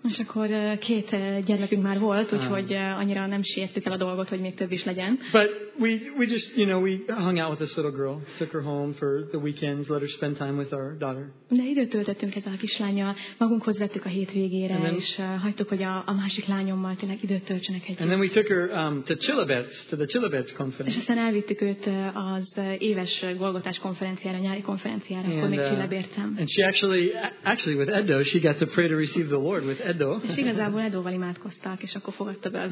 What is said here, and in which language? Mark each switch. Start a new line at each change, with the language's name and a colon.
Hungarian: És akkor 2 gyermekünk már volt, úgyhogy annyira nem siettük el a dolgot, hogy még több is legyen.
English: But we just, you know, we hung out with this little girl, took her home for the weekends, let her spend time with our daughter.
Hungarian: De időt töltöttünk ezzel a kislánnyal, magunkhoz vettük a hétvégére, then, és hagytuk, hogy a másik lányommal tényleg időt töltsenek együtt.
English: And then we took her to Chilibets, to the Chilibets conference.
Hungarian: És aztán elvittük őt az éves Golgotás konferenciára, nyári konferenciára, akkor még Chilibetben.
English: And she actually with Edo, she got to pray to receive the Lord with Edo.
Hungarian: És igazából Edoval imádkoztak, és akkor fogadta be az